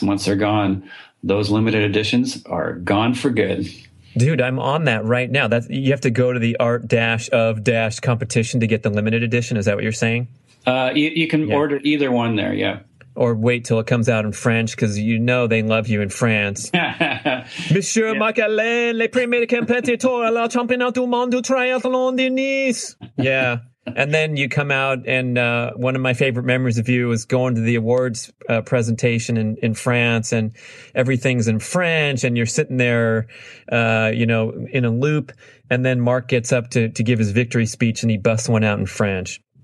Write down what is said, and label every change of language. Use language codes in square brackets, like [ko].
[en] And once they're gone, those limited editions are gone for good. Dude, I'm on that right now. That's, you have to go to the art-of-competition to get the limited edition. Is that what you're saying? You can order either one there, yeah. Or wait till it comes out in French, because you know they love you in France. [fr] Monsieur Michelin, le premier compétiteur à la championnat du monde du triathlon de Nice. [en] Yeah. And then you come out, and one of my favorite memories of you was going to the awards presentation in France, and everything's in French, and you're sitting there, in a loop, and then Mark gets up to give his victory speech, and he busts one out in French.